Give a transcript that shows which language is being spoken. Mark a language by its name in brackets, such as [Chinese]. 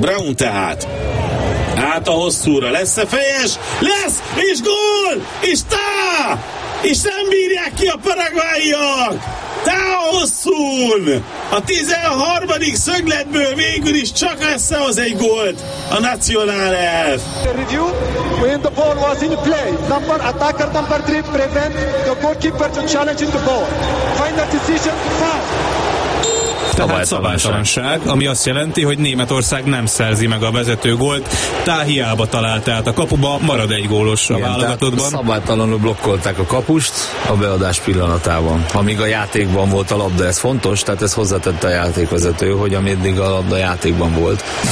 [Hungarian] Braun tehát hát a hosszúra, lesz-e fejes? Lesz! És gól! És tá! És nem bírják ki a paraguayiak! Tá hosszún! A 13. szögletből végül is csak összehoz egy gólt a Nacional Elf. [English] Review, when the ball was in play, number attacker number 3 prevent the goalkeeper to challenge the ball. Final decision, pass! [Hungarian] Tehát szabálytalanság, ami azt jelenti, hogy Németország nem szerzi meg a vezető gólt, tá hiába talált át a kapuba, marad egy gólos a válogatottban. Szabálytalanul blokkolták a kapust a beadás pillanatában. Amíg a játékban volt a labda, ez fontos, tehát ez hozzátette a játékvezető, hogy ameddig a labda játékban volt.